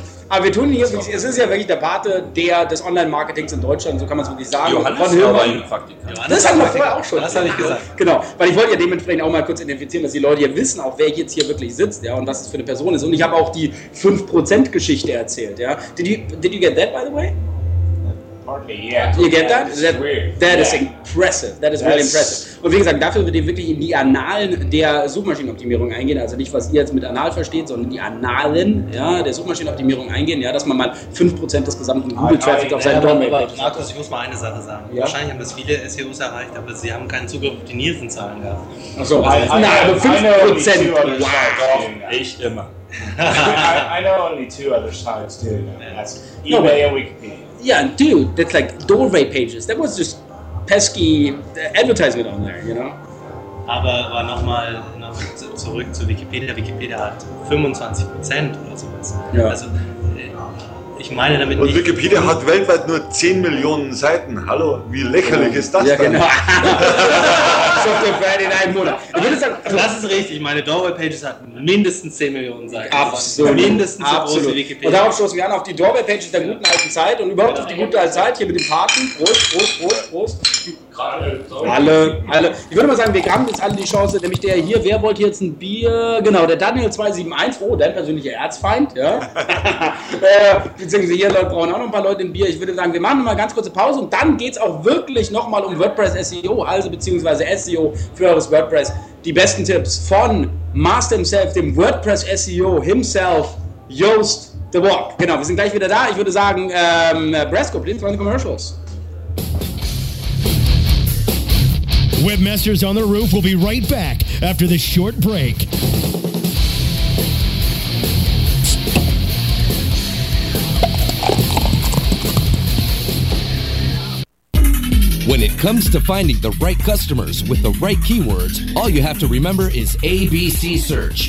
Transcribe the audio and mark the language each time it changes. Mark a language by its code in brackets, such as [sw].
[de] Aber wir tun hier, es ist ja wirklich der Pate des Online-Marketings in Deutschland, so kann man es wirklich sagen. Johannes war ein Praktikant. Das haben wir vorher auch schon. Das habe ich gesagt. Genau, weil ich wollte ja dementsprechend auch mal kurz identifizieren, dass die Leute hier wissen, auch wer jetzt hier wirklich sitzt, ja, und was es für eine Person ist. Und ich habe auch die 5%-Geschichte erzählt, ja. [en] Did you get that, by the way? Yeah. You get that? That is impressive. That is really impressive. [de] Und wie gesagt, dafür würde ich wirklich in die Annalen der Suchmaschinenoptimierung eingehen. Also nicht, was ihr jetzt mit Annal versteht, sondern die Annalen der Suchmaschinenoptimierung eingehen. Ja, dass man mal 5% des gesamten Google-Traffic auf seinen Domain hat. Markus, ich muss mal eine Sache sagen. Ja? Wahrscheinlich haben das viele SEOs erreicht, aber sie haben keinen Zugriff auf die Nielsen-Zahlen gehabt. Achso, aber 5%. Ich immer. [en] I know only two other sites doing that. That's eBay and Wikipedia. Yeah, dude, that's like doorway pages. That was just pesky advertisement on there, you know? [de] Aber nochmal zurück zu Wikipedia. Wikipedia hat 25% oder sowas. Ja. Also, ich meine damit nicht. Und Wikipedia hat weltweit nur 10 Millionen Seiten. Hallo, wie lächerlich ist das denn? Ja, genau. So für Friday Night Monat. Das ist richtig. Meine Doorway Pages hat mindestens 10 Millionen Seiten. Absolut. Mindestens so groß wie Wikipedia. Und darauf stoßen wir an, auf die Doorway Pages der guten alten Zeit und überhaupt auf die gute alte Zeit hier mit dem Paten. Prost. Alle. Ich würde mal sagen, wir haben jetzt alle die Chance, nämlich der hier, wer wollte jetzt ein Bier? Genau, der Daniel 271, dein persönlicher Erzfeind, ja. beziehungsweise hier Leute brauchen auch noch ein paar Leute ein Bier. Ich würde sagen, wir machen mal ganz kurze Pause und dann geht es auch wirklich nochmal um WordPress-SEO, also beziehungsweise SEO für eures WordPress. Die besten Tipps von Master himself, dem WordPress-SEO himself, Yoast the Walk. Genau, wir sind gleich wieder da. Ich würde sagen, Bresco, [en] please run the commercials. Webmasters on the Roof will be right back after this short break. When it comes to finding the right customers with the right keywords, all you have to remember is ABC Search.